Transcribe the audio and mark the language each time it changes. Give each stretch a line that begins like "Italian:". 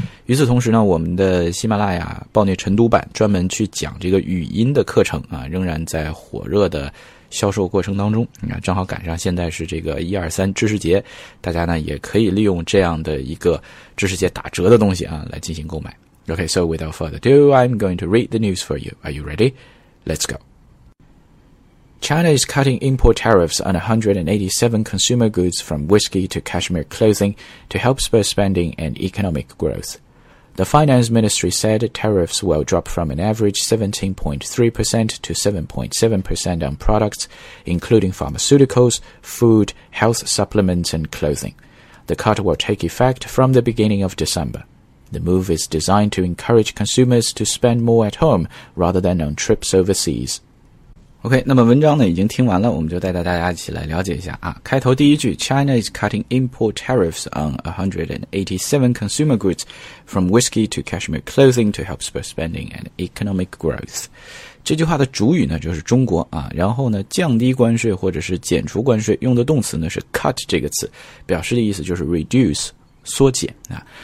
Chinese: 与此同时呢，我们的喜马拉雅暴虐晨读版专门去讲这个语音的课程啊，仍然在火热的销售过程当中，你看正好赶上现在是这个123知识节，大家呢也可以利用这样的一个知识节打折的东西啊来进行购买。
English: Okay, so without further ado, I'm going to read the news for you. Are you ready? Let's go. China is cutting import tariffs on 187 consumer goods from whiskey to cashmere clothing to help spur spending and economic growth. The finance ministry said tariffs will drop from an average 17.3% to 7.7% on products, including pharmaceuticals, food, health supplements, and clothing. The cut will take effect from the beginning of December. The move is designed to encourage consumers to spend more at home rather than on trips overseas.
Chinese: OK, 那么文章呢已经听完了，我们就带着大家一起来了解一下啊。开头第一句
English: China is cutting import tariffs on 187 consumer goods from whiskey to cashmere clothing to help spur spending and economic growth.
Chinese: 这句话的主语呢就是中国啊，然后呢降低关税或者是减除关税用的动词呢是 cut 这个词，表示的意思就是 reduce, 缩减啊。